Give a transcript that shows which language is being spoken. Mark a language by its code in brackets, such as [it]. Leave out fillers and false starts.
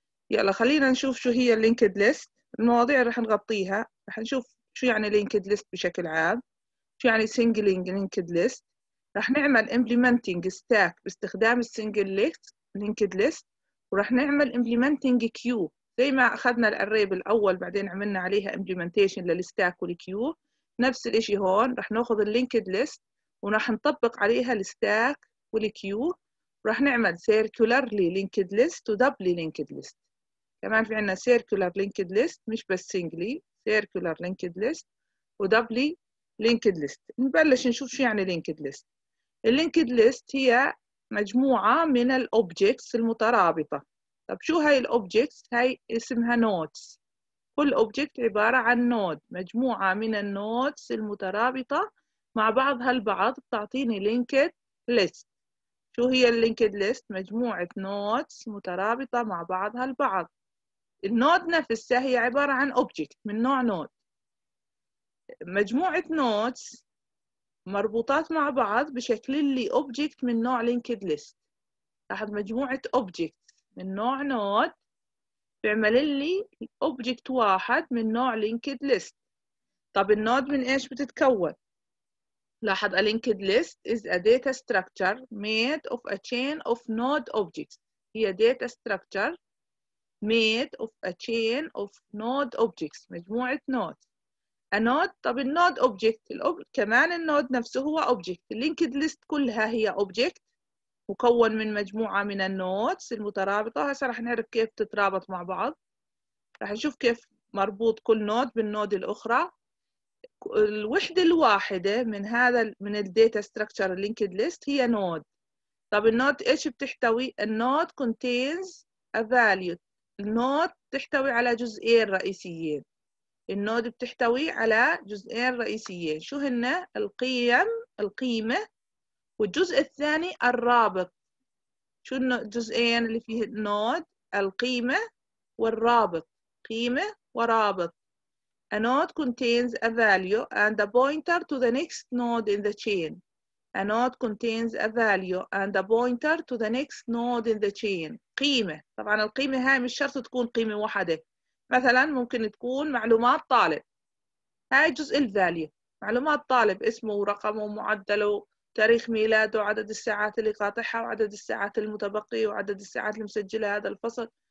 [ar] يلا خلينا نشوف شو هي اللينكد ليست. المواضيع اللي رح نغطيها، رح نشوف شو يعني لينكد ليست بشكل عام، شو يعني سينجلينج لينكد ليست، رح نعمل امبلمنتينج ستاك باستخدام السنجل ليست لينكد ليست، ورح نعمل implementing كيو زي ما أخذنا الأري بالأول بعدين عملنا عليها implementation للستاك والكيو. نفس الإشي هون رح نأخذ linked list ورح نطبق عليها الستاك والكيو، رح نعمل circularly linked list و doubly linked list. كمان في عنا circular linked list، مش بس singly، circular linked list و doubly linked list. نبلش نشوف شو يعني linked list. linked list هي مجموعة من الأوبجيكتس المترابطة. طب شو هاي الأوبجيكتس؟ هاي اسمها نودز. كل أوبجيكت عبارة عن نود، مجموعة من النودز المترابطة مع بعضها البعض بتعطيني لينكد ليست. شو هي اللينكد ليست؟ مجموعة نودز مترابطة مع بعضها البعض. النود نفسها هي عبارة عن أوبجيكت من نوع نود. مجموعة نودز مربوطات مع بعض بشكل اللي object من نوع linked list. لاحظ مجموعة object من نوع node بيعمل اللي object واحد من نوع linked list. طب النود من ايش بتتكون؟ لاحظ [en] a linked list is a data structure made of a chain of node objects. [ar] هي [en] data structure made of a chain of node objects، [ar] مجموعة نود. النود، طب النود اوبجكت، كمان النود نفسه هو اوبجكت. اللينكد ليست كلها هي اوبجكت مكون من مجموعه من النودز المترابطه. هسه رح نعرف كيف تترابط مع بعض، رح نشوف كيف مربوط كل نود بالنود الاخرى. الوحده الواحده من هذا من الداتا ستراكشر اللينكد ليست هي نود. طب النود ايش بتحتوي؟ النود [en] Contains a value. [ar] النود تحتوي على جزئين رئيسيين. النود بتحتوي على جزئين رئيسيين، شو هن؟ القيم، القيمة، والجزء الثاني الرابط. شو الجزئين اللي فيه النود؟ القيمة والرابط. قيمة ورابط. [en] A node contains a value and a pointer to the next node in the chain. A node contains a value and a pointer to the next node in the chain. [ar] قيمة، طبعا القيمة هاي مش شرط تكون قيمة واحدة، مثلا ممكن تكون معلومات طالب، هاي جزء الفاليو، معلومات طالب اسمه ورقمه ومعدله تاريخ ميلاده وعدد الساعات اللي قاطعها وعدد الساعات المتبقية وعدد الساعات المسجلة هذا الفصل.